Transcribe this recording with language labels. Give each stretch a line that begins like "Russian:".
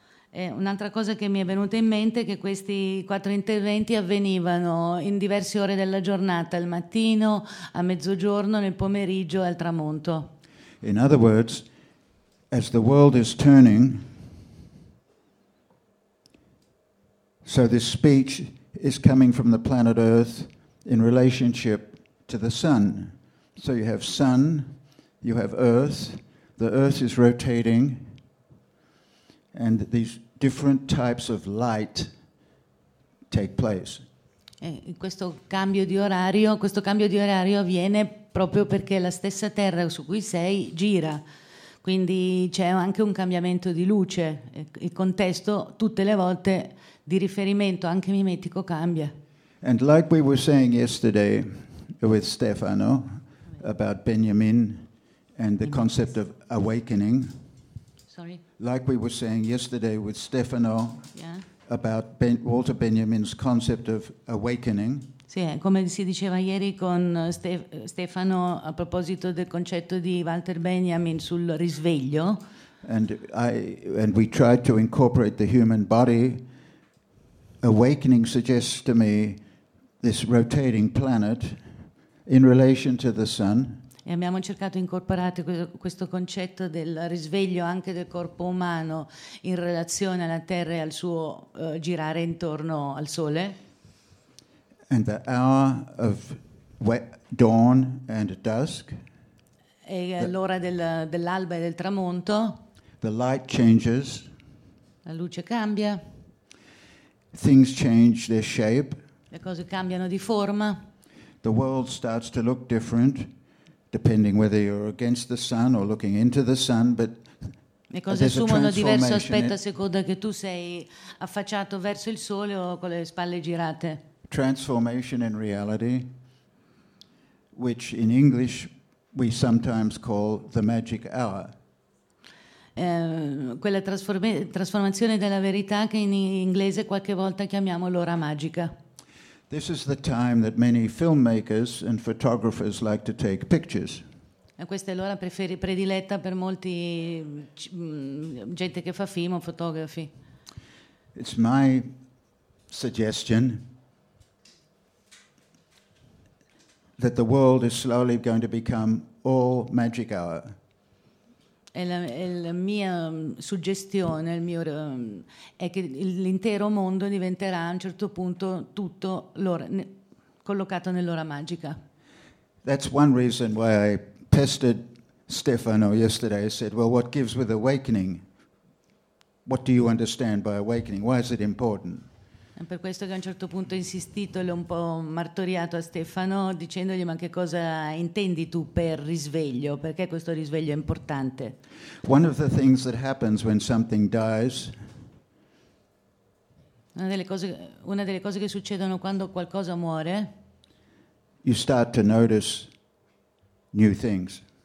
Italian: Un'altra cosa che mi è venuta in mente è che questi quattro interventi avvenivano in diverse ore della giornata, al mattino, a mezzogiorno, nel pomeriggio e al tramonto.
English: In other words, as the world is turning, so this speech is coming from the planet Earth in relationship to the sun. So you have sun, you have Earth, the Earth is rotating, and these different types of light take place.
Italian: Questo cambio di orario avviene proprio perché la stessa terra su cui sei gira, quindi c'è anche un cambiamento di luce, il contesto tutte le volte di riferimento anche mimetico cambia.
English: And like we were saying yesterday with Stefano about Benjamin and the concept of awakening. Like we were saying yesterday with Stefano, yeah, about Walter Benjamin's concept of awakening.
Italian: Sì, come si diceva ieri con Stefano a proposito del concetto di Walter Benjamin sul risveglio.
English: And we tried to incorporate the human body. Awakening suggests to me this rotating planet in relation to the sun.
Italian: E abbiamo cercato di incorporare questo concetto del risveglio anche del corpo umano in relazione alla Terra e al suo girare intorno al Sole.
English: And the hour of dawn and dusk.
Italian: E l'ora dell'alba e del tramonto.
English: The light changes.
Italian: La luce cambia.
English: Things change their shape.
Italian: Le cose cambiano di forma.
English: The world starts to look different. Depending whether you're against the sun or looking into the sun, but
Italian: le cose assumono diverso aspetto a seconda che tu sei affacciato verso il sole o con le spalle girate.
English: Transformation in reality, which in English we sometimes call the magic hour.
Italian: Quella trasformazione della verità che in inglese qualche volta chiamiamo l'ora magica.
English: This is the time that many filmmakers and photographers like to take pictures.
Italian: E questa è l'ora prediletta per molti gente che fa film o fotografi.
English: It's my suggestion that the world is slowly going to become all magic hour.
Italian: È la mia suggestione, è che l'intero mondo diventerà a un certo punto tutto collocato nell'ora magica.
English: That's one reason why I pestered Stefano yesterday. I said, well, what gives with awakening? What do you understand by awakening? Why is it important?
Italian: È per questo che a un certo punto ho insistito e l'ho un po' martoriato a Stefano dicendogli ma che cosa intendi tu per risveglio, perché questo risveglio è importante.
English: One of the things that happens when something dies.
Italian: Una delle cose che succedono quando qualcosa muore.
English: You start to notice new things.